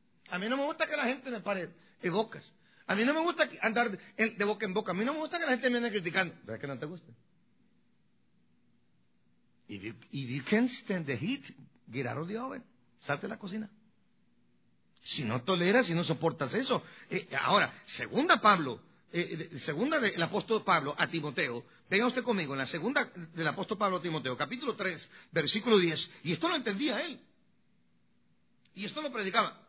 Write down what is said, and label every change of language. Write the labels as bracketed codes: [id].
[es] A mí no me gusta que la gente me pare de bocas. A mí no me gusta andar de boca en boca. A mí no me gusta que la gente me ande criticando. ¿Verdad que no te gusta? [en] If you can't stand the heat, get out of the oven. [es] Salte de la cocina. Si no toleras, si no soportas eso. Ahora, segunda Pablo, segunda del apóstol Pablo a Timoteo, venga usted conmigo, en la segunda del apóstol Pablo a Timoteo, capítulo 3, versículo 10, y esto lo entendía él. Y esto lo predicaba.